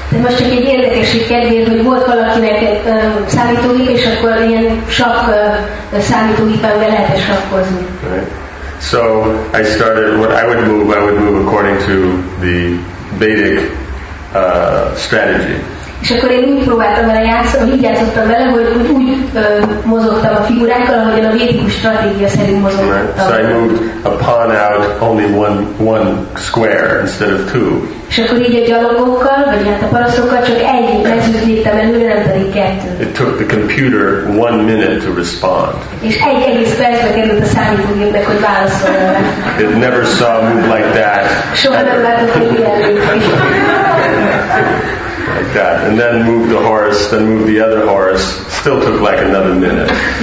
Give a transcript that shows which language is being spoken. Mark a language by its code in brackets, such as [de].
[hu] De most csak egy érdekesség kedvéért, hogy volt valakinek egy számítógép, és akkor ilyen sok számítógépen be lehetett sakkozni. [en] Right. So I started, what I would move according to the Vedic strategy. [hu] És akkor én úgy próbáltam vele játszani, így játszottam vele, hogy úgy mozogtam a figurákkal, ahogyan a védikus stratégia szerint mozogtam. [en] Right. So I moved a pawn out only one square instead of two. [hu] És akkor így a gyalogokkal, vagy hát a paraszokkal csak egy mezőt léptem előre, nem pedig kettő. [en] It took the computer 1 minute to respond. [hu] És egy egész percbe került a számítógépnek, hogy válaszoljon. [en] It never saw a move like that. [hu] Soha nem látott egy ilyen [en] like that, and then move the horse, then move the other horse, still took like another minute.